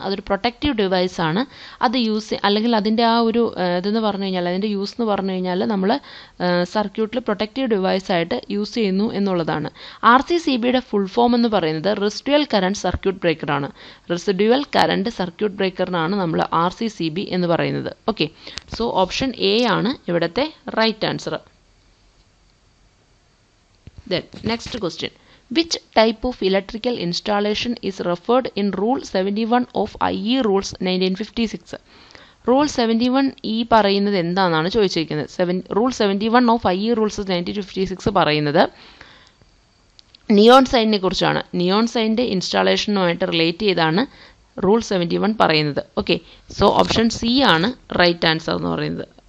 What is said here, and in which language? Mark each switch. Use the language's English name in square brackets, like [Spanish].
[Malayalam] അതൊരു protective device ആണ്. അത് യൂസ് അല്ലെങ്കിൽ അതിൻ്റെ ആ ഒരു ഇതെന്ന് പറഞ്ഞു കഴിഞ്ഞാൽ അതിൻ്റെ യൂസ് എന്ന് പറഞ്ഞു കഴിഞ്ഞാൽ നമ്മൾ സർക്യൂട്ടിൽ പ്രൊട്ടക്റ്റീവ് ഡിവൈസ് ആയിട്ട് യൂസ് ചെയ്യുന്നു എന്നുള്ളതാണ്. ആർ സി സി ബിയുടെ ഫുൾ ഫോം എന്ന് പറയുന്നത് residual current circuit ബ്രേക്കറാണ്. Residual current circuit ബ്രേക്കറിനാണ് നമ്മൾ ആർ സി സി ബി എന്ന് പറയുന്നത്. ഓക്കെ, സോ ഓപ്ഷൻ എ ആണ് ഇവിടുത്തെ right answer. [English] Then, next question. Which type of electrical installation is referred in Rule 71 of IE Rules 1956? [Malayalam] Rule 71 ഈ പറയുന്നത് എന്താണെന്നാണ് ചോദിച്ചിരിക്കുന്നത്. Rule 71 of I E rules 1956 പറയുന്നത് neon സൈനിനെ കുറിച്ചാണ്. നിയോൺ സൈൻ്റെ ഇൻസ്റ്റാളേഷനുമായിട്ട് റിലേറ്റ് ചെയ്താണ് റൂൾ 71 പറയുന്നത്. ഓക്കെ, സോ ഓപ്ഷൻ സി ആണ് right answer എന്ന് പറയുന്നത്.